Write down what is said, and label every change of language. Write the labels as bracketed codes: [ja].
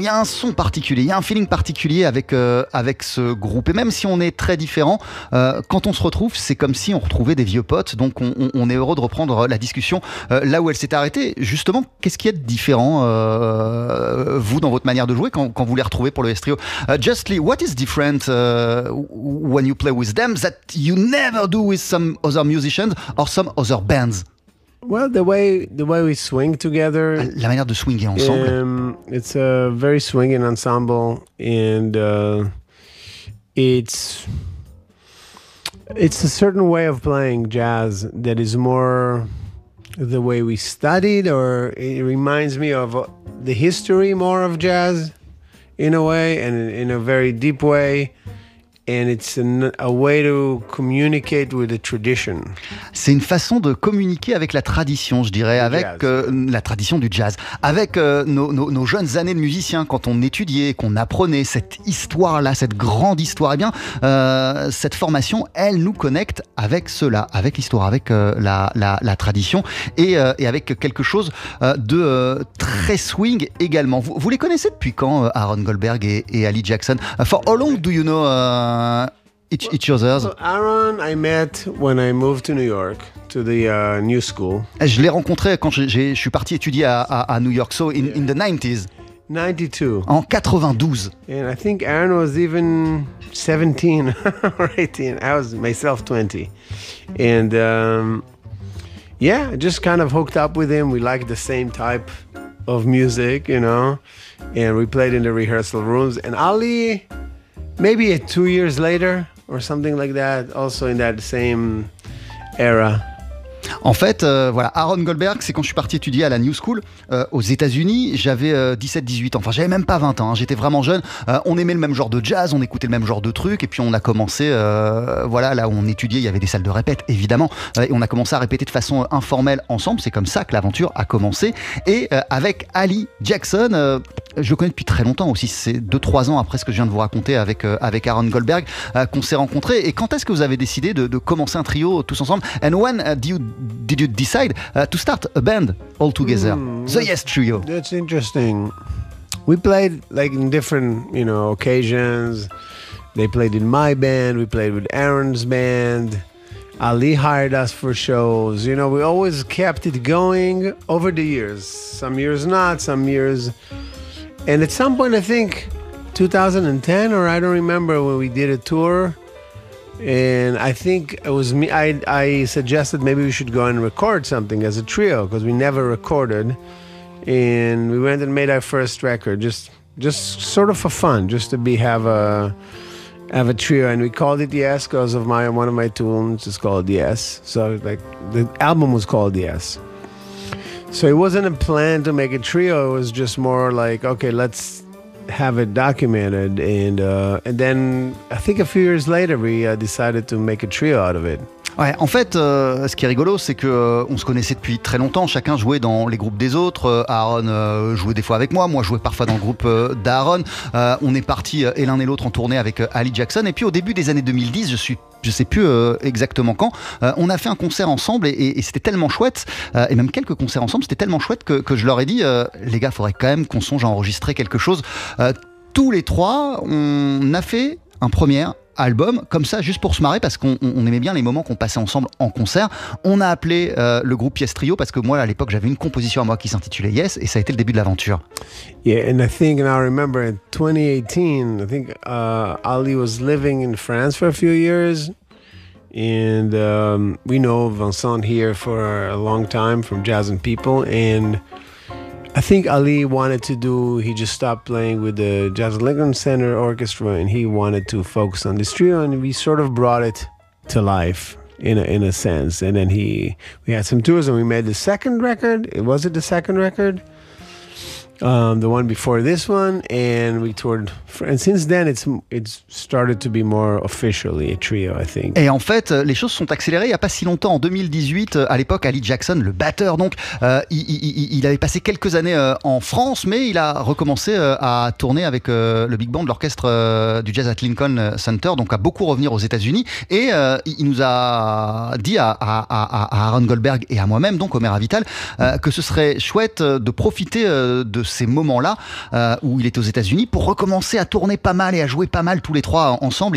[fr] Il y a un son particulier, il y a un feeling particulier avec ce groupe. Et même si on est très différent, quand on se retrouve, c'est comme si on retrouvait des vieux potes. Donc on est heureux de reprendre la discussion là où elle s'est arrêtée. Justement, qu'est-ce qu'il y a de différent, vous, dans votre manière de jouer, quand vous les retrouvez pour le Yes Trio? [en] Justly, what is different when you play with them that you never do with some other musicians or some other bands? Well, the way we swing together. [fr] La manière de swinger ensemble. [en] It's a very swinging ensemble, and it's a certain way of playing jazz that is more the way we studied, or it reminds me of the history more of jazz. In a way, and in a very deep way, and it's a way to communicate with the tradition. [fr] C'est une façon de communiquer avec la tradition, je dirais, avec la tradition du jazz, avec nos jeunes années de musiciens, quand on étudiait, qu'on apprenait cette histoire-là, cette grande histoire. Eh bien, cette formation, elle nous connecte avec cela, avec l'histoire, avec la tradition, et avec quelque chose de très swing également. Vous les connaissez depuis quand, Aaron Goldberg et Ali Jackson? [en] For how long do you know each other? So Aaron, I met when I moved to New York to the new school. [fr] Je l'ai rencontré quand je suis parti étudier à New York. [en] So in the 90s. 92. [fr] En 92. [en] And I think Aaron was even 17 or 18. I was myself 20. And yeah, I just kind of hooked up with him. We liked the same type of music, you know. And we played in the rehearsal rooms. And Ali, maybe 2 years later or something like that, also in that same era. [fr] En fait, voilà, Aaron Goldberg, c'est quand je suis parti étudier à la New School aux États-Unis. J'avais 17-18 ans. Enfin, j'avais même pas 20 ans. Hein, j'étais vraiment jeune. On aimait le même genre de jazz, on écoutait le même genre de trucs. Et puis, on a commencé, voilà, là où on étudiait, il y avait des salles de répète, évidemment. Et on a commencé à répéter de façon informelle ensemble. C'est comme ça que l'aventure a commencé. Et avec Ali Jackson, je le connais depuis très longtemps aussi. C'est 2-3 ans après ce que je viens de vous raconter avec, avec Aaron Goldberg qu'on s'est rencontrés. Et quand est-ce que vous avez décidé de commencer un trio tous ensemble? [en] And when did you decide to start a band all together? The Yes Trio. That's interesting. We played like in different, you know, occasions. They played in my band, we played with Aaron's band. Ali hired us for shows. You know, we always kept it going over the years. Some years not, some years. And at some point, I think 2010, or I don't remember when we did a tour. And I think it was me, I suggested maybe we should go and record something as a trio, because we never recorded. And we went and made our first record, just sort of for fun, just to be have a trio. And we called it Yes, because of one of my tunes is called Yes. So like the album was called Yes. So it wasn't a plan to make a trio, it was just more like, okay, let's have it documented. And then I think a few years later we decided to make a trio out of it. [fr] Ouais, en fait, ce qui est rigolo, c'est que on se connaissait depuis très longtemps. Chacun jouait dans les groupes des autres. Aaron jouait des fois avec moi. Moi, jouais parfois dans le groupe d'Aaron. On est parti et l'un et l'autre en tournée avec Ali Jackson. Et puis, au début des années 2010, je sais plus exactement quand, on a fait un concert ensemble et c'était tellement chouette. Et même quelques concerts ensemble, c'était tellement chouette que je leur ai dit, les gars, faudrait quand même qu'on songe à enregistrer quelque chose. Tous les trois, on a fait un premier album comme ça, juste pour se marrer, parce qu'on aimait bien les moments qu'on passait ensemble en concert. On a appelé le groupe Yes Trio parce que moi, à l'époque, j'avais une composition à moi qui s'intitulait Yes, et ça a été le début de l'aventure. [en] Yeah, and I think, and I remember in 2018, I think Ali was living in France for a few years, and we know Vincent here for a long time from Jazz and People, and I think Ali wanted to do, he just stopped playing with the Jazz Lincoln Center Orchestra and he wanted to focus on this trio, and we sort of brought it to life in a sense. And then we had some tours and we made the second record. Was it the second record? The one before this one, and we toured. And since then, it's started to be more officially a trio, I think. [fr] Et en fait, les choses sont accélérées. Il y a pas si longtemps, en 2018, à l'époque, Ali Jackson, le batteur, donc, il avait passé quelques années en France, mais il a recommencé à tourner avec le big band, l'orchestre du Jazz at Lincoln Center, donc à beaucoup revenir aux États-Unis. Et il nous a dit à Aaron Goldberg et à moi-même, donc Omer Avital, que ce serait chouette de profiter de ces moments-là où il était aux États-Unis pour recommencer à tourner pas mal et à jouer pas mal tous les trois ensemble.